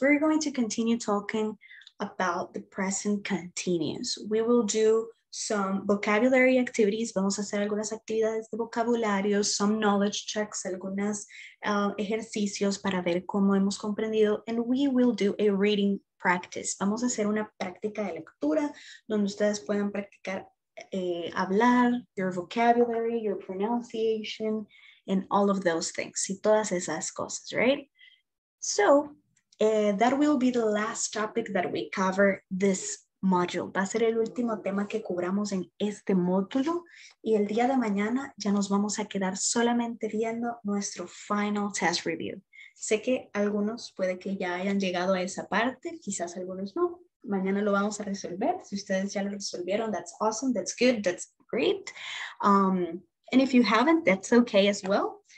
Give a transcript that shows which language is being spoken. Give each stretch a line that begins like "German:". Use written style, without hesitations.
English: We're going to continue talking about the present continuous. We will do some vocabulary activities.
Spanish: Vamos a hacer algunas actividades de vocabulario,
English: some knowledge checks,
Spanish: algunos ejercicios para ver cómo hemos comprendido.
English: And we will do a reading practice.
Spanish: Vamos a hacer una práctica de lectura donde ustedes puedan practicar hablar,
English: your vocabulary, your pronunciation, and all of those things.
Spanish: Y todas esas cosas, right?
English: So, that will be the last topic that we cover this module.
Spanish: Va a ser el último tema que cubramos en este módulo. Y el día de mañana ya nos vamos a quedar solamente viendo nuestro final test review. Sé que algunos puede que ya hayan llegado a esa parte, quizás algunos no. Mañana lo vamos a resolver. Si ustedes ya lo resolvieron,
English: that's awesome, that's good, that's great. And if you haven't, that's okay as well.